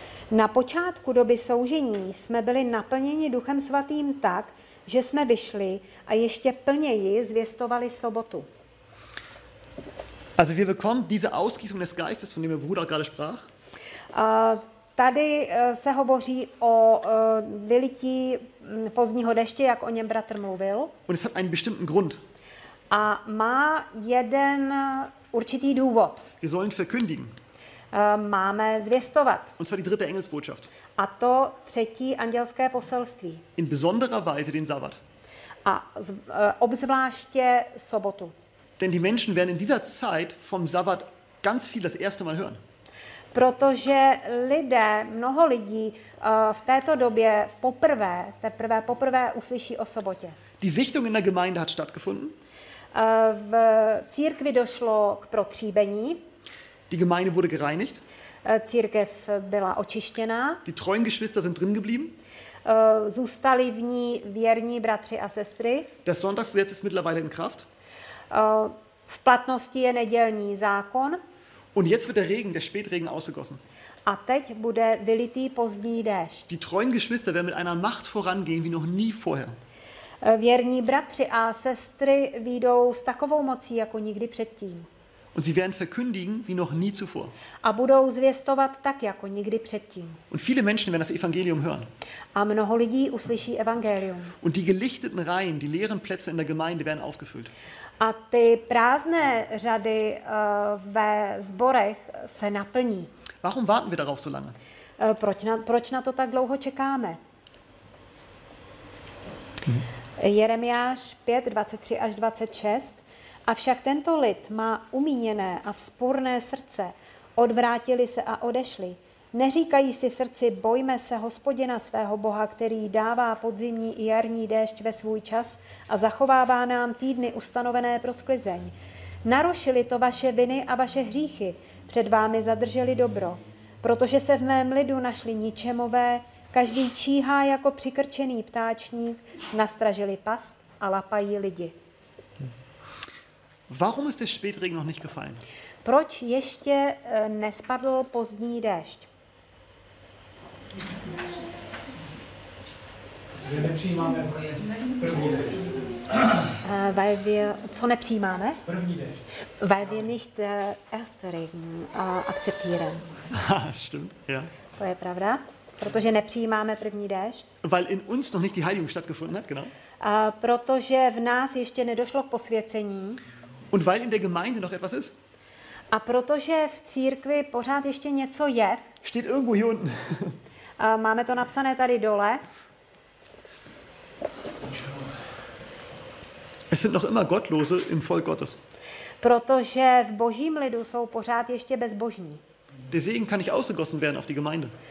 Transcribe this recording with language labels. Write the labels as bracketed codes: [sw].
[cs] Na počátku doby soužení jsme byli naplněni Duchem Svatým tak, že jsme vyšli a ještě plněji zvěstovali sobotu. [de] Also wir bekommen diese Ausgießung des Geistes, von dem der Bruder gerade sprach. [cs] Tady se hovoří o vylití pozdního deště, jak o něm bratr mluvil. [de] Und es hat einen bestimmten Grund. [cs] A má jeden určitý důvod. [de] Wir sollen verkündigen. [cs] Máme zvěstovat. [de] Und zwar die dritte Engelsbotschaft. [cs] A to třetí andělské poselství. [de] In besonderer Weise den Sabbat. [cs] A obzvláště sobotu. [de] Denn die Menschen werden in dieser Zeit vom Sabbat ganz viel das erste Mal hören. [cs] Protože lidé, mnoho lidí v této době teprve poprvé uslyší o sobotě. [de] Die Sichtung in der Gemeinde hat stattgefunden. [cs] V církvi došlo k protříbení. [de] Die Gemeinde wurde gereinigt. [cs] Církev byla očištěná. [de] Die treuen Geschwister sind drin geblieben. [cs] Zůstali v ní věrní bratři a sestry. [de] Das Sonntagsgesetz ist mittlerweile in Kraft. [cs] V platnosti je nedělní zákon. [de] Und jetzt wird der Regen, der Spätregen ausgegossen. [cs] A teď bude vylitý pozdní déšť. [de] Die treuen Geschwister werden mit einer Macht vorangehen wie noch nie vorher. [cs] Věrní bratři a sestry vyjdou s takovou mocí jako nikdy předtím. [de] Und sie werden verkündigen wie noch nie zuvor. [cs] A budou zvěstovat tak jako nikdy předtím. [de] Und viele Menschen werden das Evangelium hören. [cs] A mnoho lidí uslyší evangelium. [de] Und die gelichteten Reihen, die leeren Plätze in der Gemeinde werden aufgefüllt. [cs] A ty prázdné řady ve sborech se naplní. [de] Warum warten wir darauf so lange? [cs] Proč na to tak dlouho čekáme? Jeremiáš 5:23-26. Avšak tento lid má umíněné a vzpůrné srdce. Odvrátili se a odešli. Neříkají si v srdci, bojme se Hospodina svého Boha, který dává podzimní i jarní déšť ve svůj čas a zachovává nám týdny ustanovené pro sklizeň. Narušili to vaše viny a vaše hříchy, před vámi zadrželi dobro. Protože se v mém lidu našli ničemové, každý číhá jako přikrčený ptáčník, nastražili past a lapají lidi. [de] Warum ist der Spätregen noch nicht gefallen? [cs] Proč ještě nespadl pozdní déšť? Že nepřijímáme první déšť. [de] Weil wir, [cs] co nepřijímáme? První déšť. [de] Weil wir nicht erste Regen akzeptieren. Stimmt, ja. [cs] To je pravda, protože nepřijímáme první déšť. [de] Weil in uns noch nicht die Heiligung stattgefunden hat, genau. [cs] Protože v nás ještě nedošlo k posvěcení. [de] Und weil in der Gemeinde noch etwas ist. [cs] A protože v církvi pořád ještě něco je. [de] Steht irgendwo hier unten. [cs] Máme to napsané tady dole. [de] Es sind noch immer Gottlose im Volk Gottes. [cs] Protože v Božím lidu jsou pořád ještě bezbožní. [de] Der Segen kann nicht ausgegossen werden auf die Gemeinde.